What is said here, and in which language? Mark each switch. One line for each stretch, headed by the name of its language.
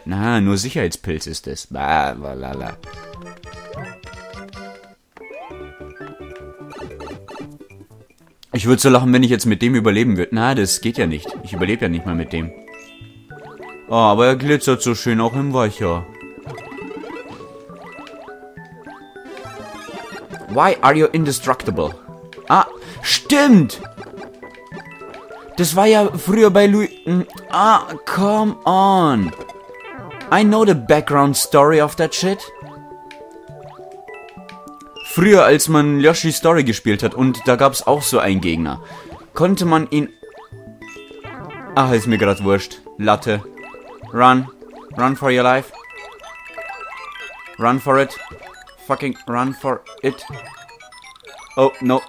German: Na, nur Sicherheitspilz ist es. Bah, ich würde so lachen, wenn ich jetzt mit dem überleben würde. Na, das geht ja nicht. Ich überlebe ja nicht mal mit dem. Oh, aber er glitzert so schön auch im Weicher.
English: Why are you indestructible?
German: Ah, stimmt! Das war ja früher bei Louis...
English: Ah, come on. I know the background story of that shit.
German: Früher, als man Yoshi's Story gespielt hat und da gab's auch so einen Gegner, konnte man ihn... Ach, ist mir gerade wurscht.
English: Latte. Run. Run for your life. Run for it. Fucking run for it. Oh, no.